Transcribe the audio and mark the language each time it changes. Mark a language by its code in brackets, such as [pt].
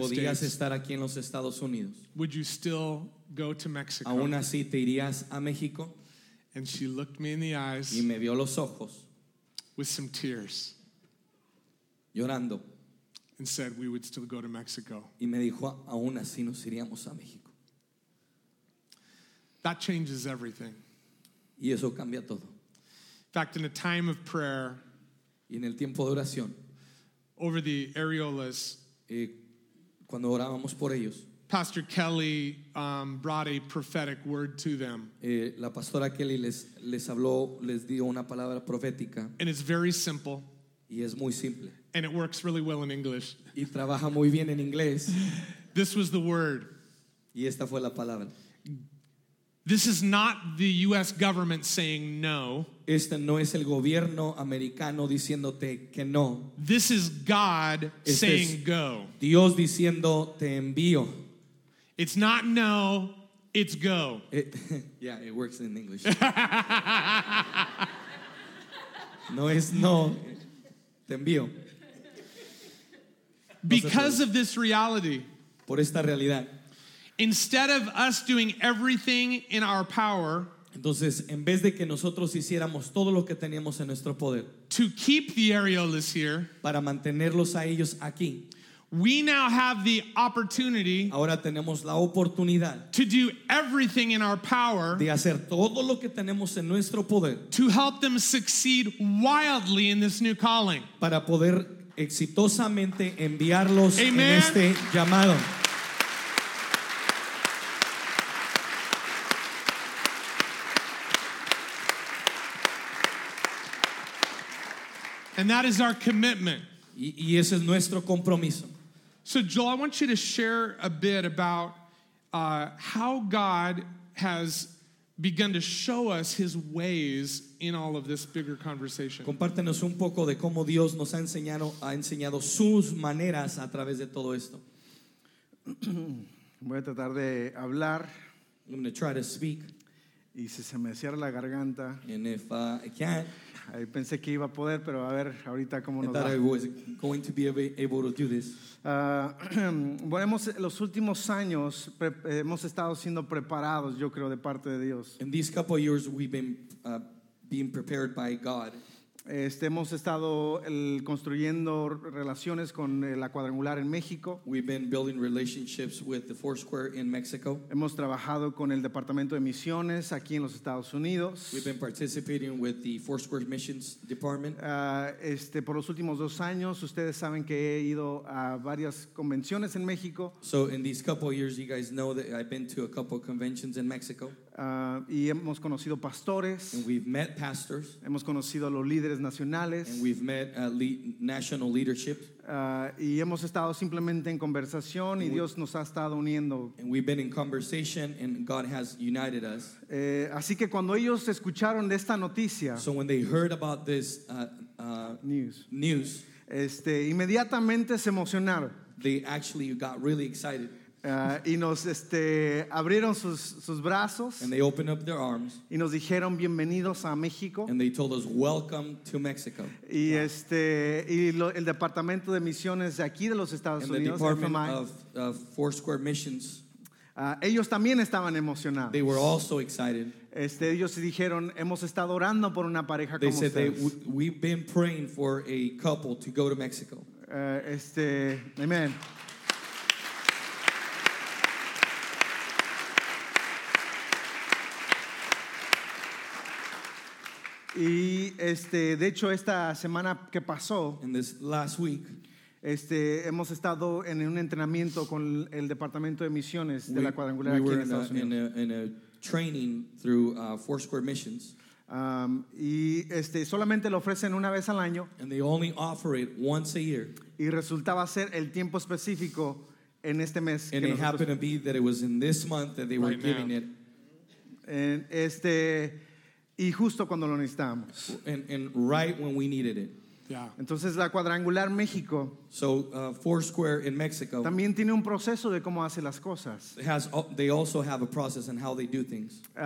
[es] que podías [en] States, [es] estar aquí en los Estados Unidos, [en] would you still go to Mexico? [es] ¿Aún así te irías a México? [en] And she looked me in the eyes. [es] Y me vio los ojos. [en] With some tears, [es] llorando, [en] and said we would still go to Mexico. [es] Y me dijo, aún así nos iríamos a México. [en] That changes everything. [es] Y eso cambia todo. [en] In fact, in a time of prayer, [es] y en el tiempo de oración, [en] over the Ariolas, [es] cuando orábamos por ellos, [en] Pastor Kelly brought a prophetic word to them. [es] La pastora Kelly les habló, les dio una palabra profética. [en] And it's very simple. [es] Y es muy simple. [en] And it works really well in English. [es] Y trabaja muy bien en inglés. [en] This was the word. [es] Y esta fue la palabra. [en] This is not the US government saying no. [es] Este no es el gobierno americano diciéndote que no. [en] This is God saying go. [es] Dios diciendo te envío. [en] It's not no, it's go. Yeah, it works in English. [es] No es no, te envío. [en] Because of this reality. [es] Por esta realidad. [en] Instead of us doing everything in our power. [es] Entonces, en vez de que nosotros hiciéramos todo lo que teníamos en nuestro poder. [en] To keep the areolas here. [es] Para mantenerlos a ellos aquí. [en] We now have the opportunity. [es] Ahora tenemos la oportunidad. [en] To do everything in our power. [es] De hacer todo lo que tenemos en nuestro poder. [en] To help them succeed wildly in this new calling. [es] Para poder exitosamente enviarlos. [en] Amen. [es] En este llamado. [en] And that is our commitment. [es] Y ese es nuestro compromiso. [en] So Joel, I want you to share a bit about how God has begun to show us his ways in all of this bigger conversation. [es] Compártenos un poco de cómo Dios nos ha enseñado sus maneras a través de todo esto. Voy a tratar de hablar. [en] I'm going to try to speak. [es] Y si se me cierra la garganta. [en] And if I can't. [es] Ahí pensé que iba a poder, pero a ver ahorita cómo nos va. [en] I thought I was going to be able to do this. [es] Bueno, los últimos años hemos estado siendo preparados, yo creo, de parte de Dios. [en] In these couple of years we've been being prepared by God. [es] Hemos estado construyendo relaciones con la cuadrangular en México. [en] We've been building relationships with the Foursquare in Mexico. [es] Hemos trabajado con el Departamento de Misiones aquí en los Estados Unidos. [en] We've been participating with the Foursquare Missions Department. [es] Por los últimos dos años, ustedes saben que he ido a varias convenciones en México. [en] So in these couple of years, you guys know that I've been to a couple of conventions in Mexico. [es] Y hemos conocido pastores. [en] And we've met pastors. [es] Hemos conocido a los líderes nacionales. [en] And we've met national leadership. [es] Y hemos estado simplemente en conversación y Dios nos ha estado uniendo. [en] And we've been in conversation and God has united us. [es] Así que cuando ellos escucharon de esta noticia. [en] So when they heard about this news. [es] Inmediatamente se emocionaron. [en] They actually got really excited. [es] Y nos abrieron sus brazos. [en] And they opened up their arms. [es] Y nos dijeron bienvenidos a México. [en] And they told us welcome to Mexico. [es] Y wow. El Departamento de Misiones de aquí de los Estados [en] and [es] Unidos, [en] the Department FMI, of Foursquare Missions. [es] Ellos también estaban emocionados. [en] They were also excited. [es] Ellos dijeron hemos estado orando por una pareja [en] they [es] como [en] said [es] ustedes. [en] We've been praying for a couple to go to Mexico. Amen. [es] Y de hecho esta semana que pasó, [en] in this last week, [es] hemos estado en un entrenamiento con el Departamento de Misiones de la Cuadrangular aquí en Estados Unidos. [en] In a training through Foursquare Missions. [es] Y solamente lo ofrecen una vez al año. [en] And they only offer it once a year. [es] Y resultaba ser el tiempo específico en este mes. [en] And it happened to be that it was in this month that they were giving it. [es] Y justo cuando lo necesitábamos. [en] And right when we needed it. Yeah. [es] Entonces la Cuadrangular México. [en] So Foursquare in Mexico. [es] También tiene un proceso de cómo hace las cosas. [en] They also have a process in how they do things.